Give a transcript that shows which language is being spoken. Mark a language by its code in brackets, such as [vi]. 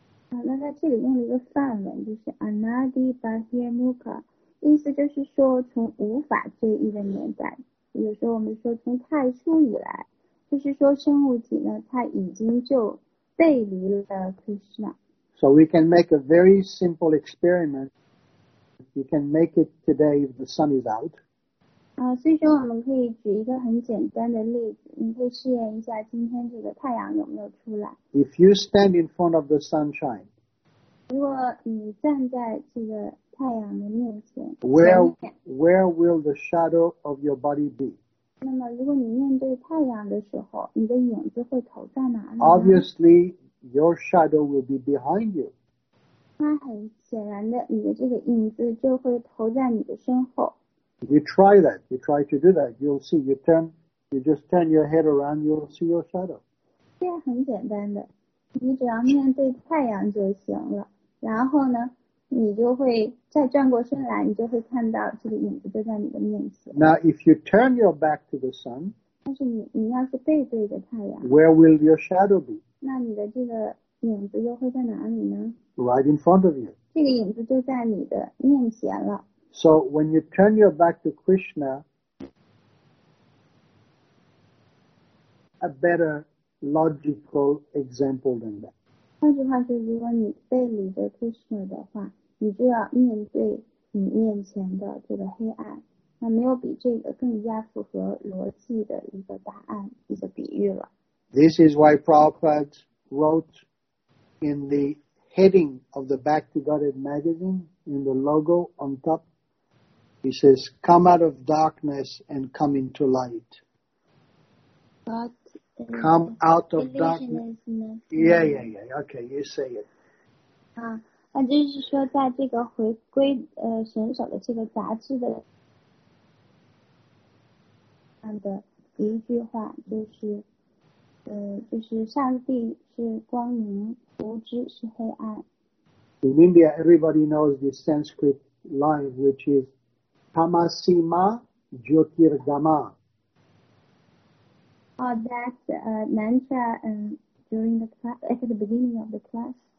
[zh] 那在这里用了一个梵文，就是 [sa] anadi bahir mukha， [zh] 意思就是说从无法追忆的年代，有时候我们说从太初以来，就是说生物体呢，它已经就背离了 Krishna。 [en] So we can make a very simple experiment. You can make it today if the sun is out. [zh] 所以说我们可以举一个很简单的例子，你可以试验一下今天这个太阳有没有出来。 [en] If you stand in front of the sunshine, [zh] 如果你站在这个太阳的面前， [en] where will the shadow of your body be? [zh] 那么如果你面对太阳的时候，你的影子会投在哪里？ [en] Obviously, your shadow will be behind you. [zh] 那很显然的，你的这个影子就会投在你的身后。 [en] You try that. You try to do that. You'll see. You just turn your head around. You'll see your shadow. [zh] 这很简单的，你只要面对太阳就行了。然后呢，你就会再转过身来，你就会看到这个影子就在你的面前。 [en] Now, if you turn your back to the sun, [zh] 但是你要是背对着太阳， [en] where will your shadow be? [zh] 那你的这个影子又会在哪里呢？ [en] Right in front of you. [zh] 这个影子就在你的面前了。 [en] So, when you turn your back to Krishna, a better logical example than that. [zh] 换句话说，如果你背离着 Krishna 的话，你就要面对你面前的这个黑暗。那没有比这个更加符合逻辑的一个答案，一个比喻了。 [en] This is why Prabhupada wrote in the heading of the Back to Godhead magazine, in the logo on top, he says, come out of darkness and come into light. But, Come out of darkness. Okay, you say it. [zh] 那就是说，在这个回归选手的这个杂志的上的一句话，就是上帝是光明，无知是黑暗。 [en] In India, everybody knows this Sanskrit line, which is [sa] Tamasima Jyotirgama. [en] That's mantra during the class, at the beginning of the class.